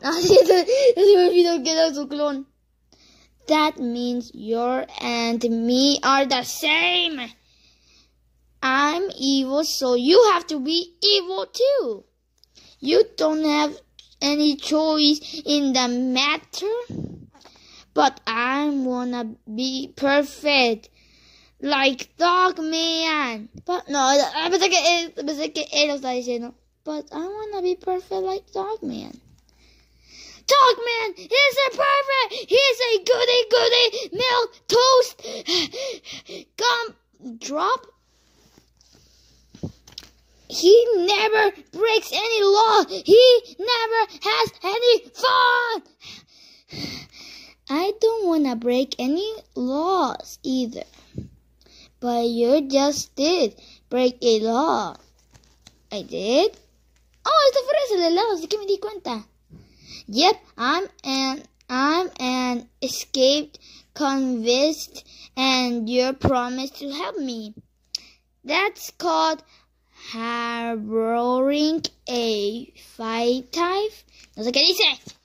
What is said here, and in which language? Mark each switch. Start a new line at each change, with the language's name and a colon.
Spanish: Ah, sí, se me olvidó que era su clon.
English: That means you and me are the same. I'm evil, so you have to be evil too. You don't have any choice in the matter. But I wanna be perfect. Like Dog Man. But
Spanish: no, pensé que él lo está diciendo.
English: But I wanna be perfect like Dog Man. Dog Man is a perfect. He's a goody goody milk toast gum drop. He never breaks any law. He never has any fun. I don't wanna break any laws either. But you just did break a law. I did?
Spanish: Oh, esto fue el helado, así que me di cuenta.
English: Yep, I'm an escaped convict, and you promised to help me. That's called harboring a fight type.
Spanish: No sé qué dice.